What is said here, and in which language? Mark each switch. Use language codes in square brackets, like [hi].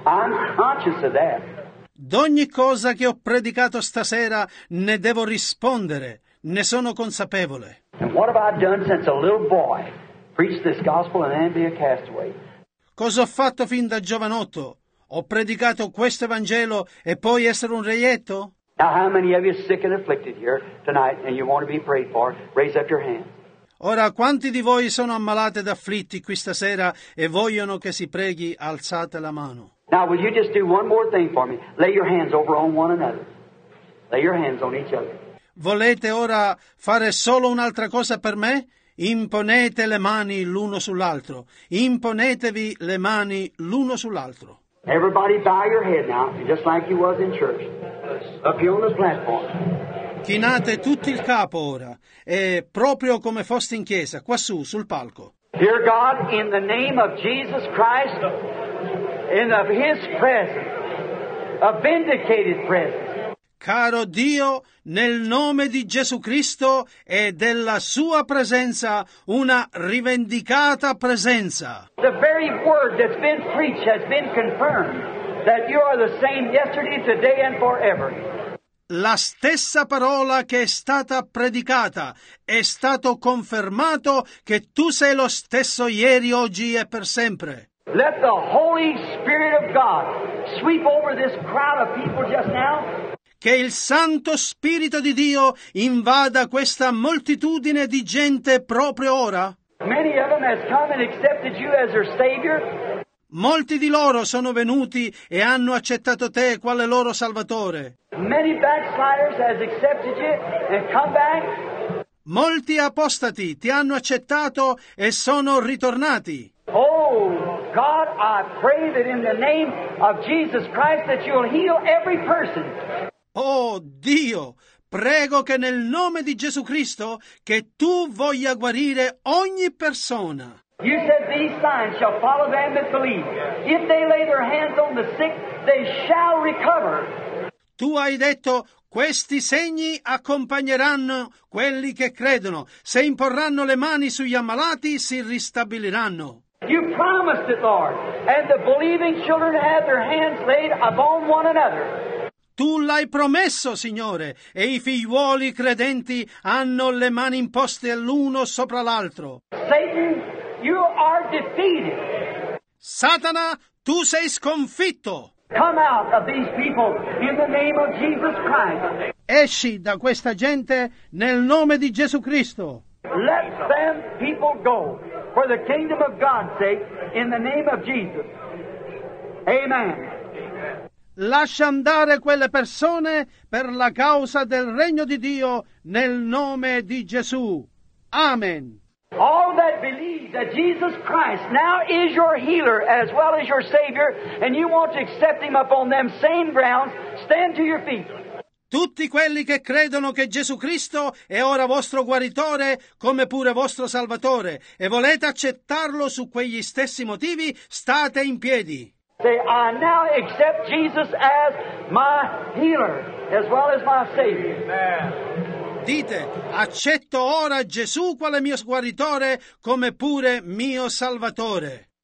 [en] I'm conscious of that. [it] D'ogni cosa che ho predicato stasera ne devo rispondere. Ne sono consapevole. [en] And what have I done since a little boy preached this gospel and then be a castaway? [it] Cosa ho fatto fin da giovanotto? Ho predicato questo Evangelo e poi essere un reietto? [en] Now how many of you sick and afflicted here tonight and you want to be prayed for? Raise up your hand. [it] Ora, quanti di voi sono ammalati ed afflitti qui stasera e vogliono che si preghi? Alzate la mano. [en] Now will you just do one more thing for me? Lay your hands over on one another. Lay your hands on each other. [it] Volete ora fare solo un'altra cosa per me? Imponete le mani l'uno sull'altro. Imponetevi le mani l'uno sull'altro. [en] Everybody bow your head now, just like you was in church. Up here on the platform. [it] Chinate tutti il capo ora, e proprio come foste in chiesa, quassù, sul palco. [en] Dear God, in the name of Jesus Christ, in of His presence, a vindicated presence. [it] Caro Dio, nel nome di Gesù Cristo e della sua presenza, una rivendicata presenza. [en] The very word that's been preached has been confirmed. that you are the same yesterday, today and forever. [it] La stessa parola che è stata predicata, è stato confermato che tu sei lo stesso ieri, oggi e per sempre. [en] Let the Holy Spirit of God sweep over this crowd of people just now. [it] Che il Santo Spirito di Dio invada questa moltitudine di gente proprio ora. [en] Many of them have come and accepted you as their Savior. [it] Molti di loro sono venuti e hanno accettato te quale loro Salvatore. [en] Many backsliders have accepted you and come back. [it] Molti apostati ti hanno accettato e sono ritornati. [en] Oh, God, I pray that in the name of Jesus Christ that you'll heal every person. [it] Oh Dio, prego che nel nome di Gesù Cristo che tu voglia guarire ogni persona. [en] You said these signs shall follow them that believe. If they lay their hands on the sick, they shall recover. [it] Tu hai detto questi segni accompagneranno quelli che credono. Se imporranno le mani sugli ammalati si ristabiliranno. [en] You promised it, Lord, and the believing children have their hands laid upon one another. [it] Tu l'hai promesso, Signore, e i figliuoli credenti hanno le mani imposte l'uno sopra l'altro. [en] Satan, you are defeated. [it] Satana, tu sei sconfitto. [en] Come out of these people in the name of Jesus Christ. [it] Esci da questa gente nel nome di Gesù Cristo. [en] Let them people go for the kingdom of God's sake in the name of Jesus. Amen. [it] Lascia andare quelle persone per la causa del regno di Dio nel nome di Gesù. Amen. [en] All that believe that Jesus Christ now is your healer as well as your Savior, and you want to accept him upon them same grounds, stand to your feet. [it] Tutti quelli che credono che Gesù Cristo è ora vostro guaritore come pure vostro Salvatore e volete accettarlo su quegli stessi motivi, state in piedi. [en] Say, I now accept Jesus as my healer, as well as my Savior. [it] Dite, accetto ora Gesù quale mio guaritore, come pure mio Salvatore.